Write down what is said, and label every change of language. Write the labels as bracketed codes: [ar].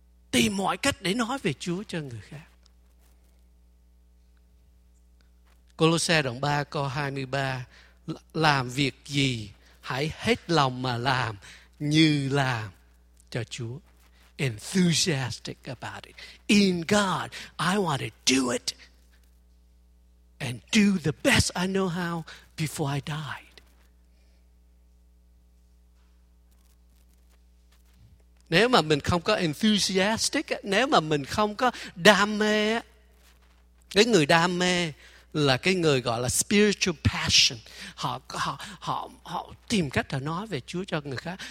[vi] Tìm mọi cách để nói về Chúa cho người khác. Côlôse đoạn 3 câu 23, làm việc gì hãy hết lòng mà làm, như làm cho Chúa. [en] Enthusiastic about it. In God, I want to do it and do the best I know how before I died. [vi] Nếu mà mình không có enthusiastic, nếu mà mình không có đam mê, cái người đam mê là cái người gọi là spiritual passion, họ tìm cách để nói về Chúa cho người khác.